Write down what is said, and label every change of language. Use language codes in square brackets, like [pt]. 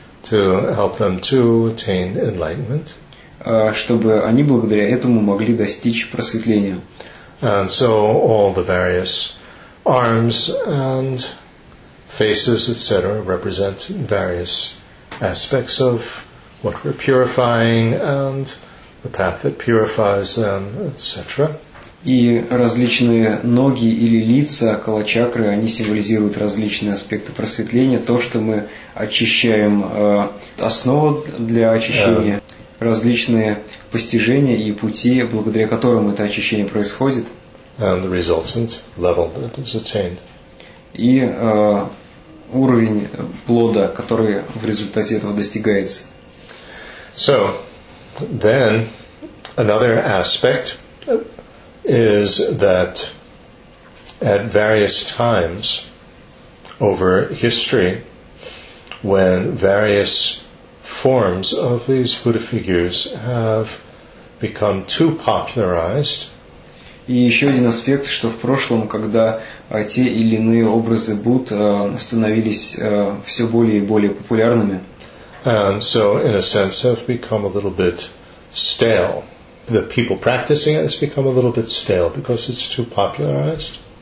[en] To help them to attain enlightenment. [ru] Чтобы они благодаря этому могли достичь просветления. [en] And so all the various arms and faces, etc., represent various aspects of what we're purifying and the path that purifies them, etc. [ru] И различные ноги или лица калачакры, они символизируют различные аспекты просветления, то, что мы очищаем, основу для очищения, различные постижения и пути, благодаря которым это очищение происходит. [en] And the resultant level that is attained. [ru] И уровень плода, который в результате этого достигается. [en] So, then, another aspect is that at various times over history, when various forms of these Buddha figures have become too popularized, [ru] и еще один аспект, что в прошлом, когда те или иные образы Будд становились все более и более популярными, [en] and so in a sense have become a little bit stale. The people practicing it has become a little bit stale because it's too popularized.